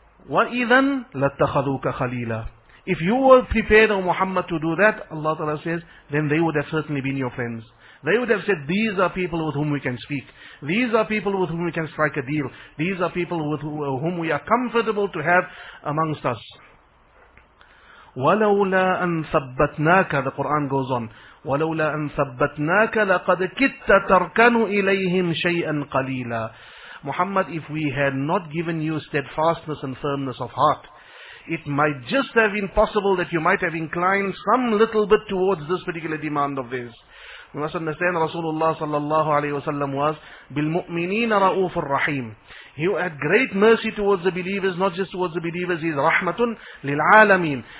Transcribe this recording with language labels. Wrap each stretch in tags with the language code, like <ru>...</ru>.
<ar>وَإِذًا لَتَّخَذُوكَ خَلِيلًا.</ar> <en>If you were prepared, O Muhammad, to do that, Allah Ta'ala says, then they would have certainly been your friends. They would have said, these are people with whom we can speak. These are people with whom we can strike a deal. These are people with whom we are comfortable to have amongst us.</en> <ar>وَلَوْلَا أَن ثَبَّتْنَاكَ,</ar> <en>the Qur'an goes on,</en> <ar>وَلَوْلَا أَن ثَبَّتْنَاكَ لَقَدْ كِتَّ تَرْكَنُ إِلَيْهِمْ شَيْئًا قَلِيلًا.</ar> <en>Muhammad, if we had not given you steadfastness and firmness of heart, it might just have been possible that you might have inclined some little bit towards this particular demand of theirs. We must understand Rasulullah sallallahu alayhi wa sallam was</en> <ar>بِالْمُؤْمِنِينَ رَؤُوفُ الرَّحِيمِ.</ar> <en>He had great mercy towards the believers, not just towards the believers, he is</en> <ar>رَحْمَةٌ لِلْعَالَمِينَ.</ar>